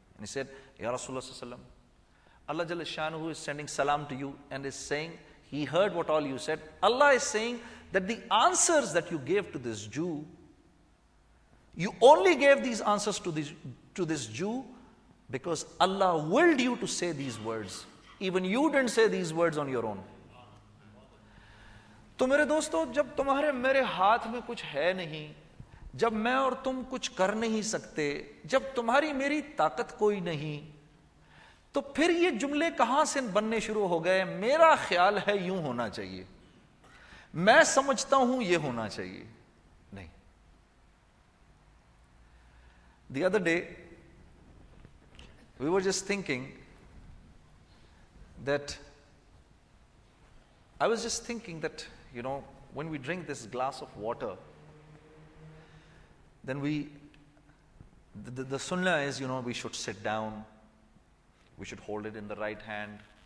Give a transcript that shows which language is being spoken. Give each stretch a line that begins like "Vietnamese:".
English: And he said, Ya Rasulullah, Allah Jalla Shanuhu is sending salam to you and is saying, he heard what all you said. Allah is saying that the answers that you gave to this Jew, you only gave these answers to this Jew because Allah willed you to say these words. Even you didn't say these words on your own.
Hindi: To mere dosto, jab tumhare mere haath mein kuch hai nahi, जब मैं और तुम कुछ कर नहीं सकते, जब तुम्हारी मेरी ताकत कोई नहीं, तो फिर ये जुमले कहां से बनने शुरू हो गए? मेरा ख्याल है यूं होना चाहिए, मैं समझता हूं ये होना चाहिए. नहीं.
English: The other day, we were just thinking that, I was just thinking that, you know, when we drink this glass of water, then the sunnah is, you know, we should sit down, we should hold it in the right hand.